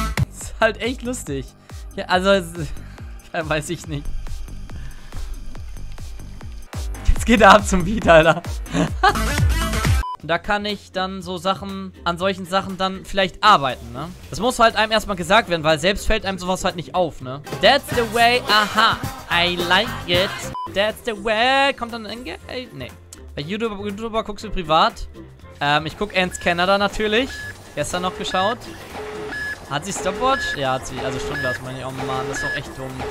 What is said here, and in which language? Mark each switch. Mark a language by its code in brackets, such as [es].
[de] Ist halt echt lustig. Ja, also, weiß ich nicht. Jetzt geht er ab zum Beat, Alter. Da kann ich dann so Sachen, an solchen Sachen dann vielleicht arbeiten, ne? Das muss halt einem erstmal gesagt werden, weil selbst fällt einem sowas halt nicht auf, ne? [en] That's the way, aha, I like it. That's the way, [de] kommt dann ein Geld? Nee. Bei YouTuber guckst du privat. Ich guck Ants Canada natürlich. Gestern noch geschaut. Hat sie Stopwatch? Ja, hat sie, also Stundenglas, meine ich. Oh Mann, das ist doch echt dumm.